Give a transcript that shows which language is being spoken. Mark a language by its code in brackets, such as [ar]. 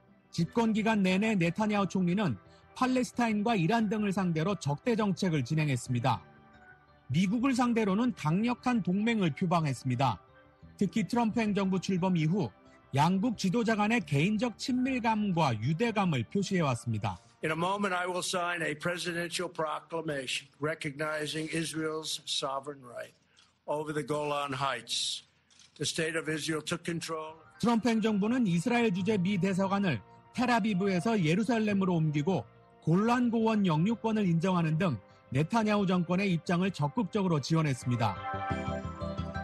[ko] 집권 기간 내내 네타냐후 총리는 팔레스타인과 이란 등을 상대로 적대 정책을 진행했습니다. 미국을 상대로는 강력한 동맹을 표방했습니다. 특히 트럼프 행정부 출범 이후 양국 지도자 간의 개인적 친밀감과 유대감을 표시해왔습니다. [en] In a moment, I will sign a presidential proclamation recognizing Israel's sovereign right over the Golan Heights. The state of Israel took control. [ko] 트럼프 행정부는 이스라엘 주재 미 대사관을 테라비브에서 예루살렘으로 옮기고 골란고원 영유권을 인정하는 등 네타냐후 정권의 입장을 적극적으로 지원했습니다.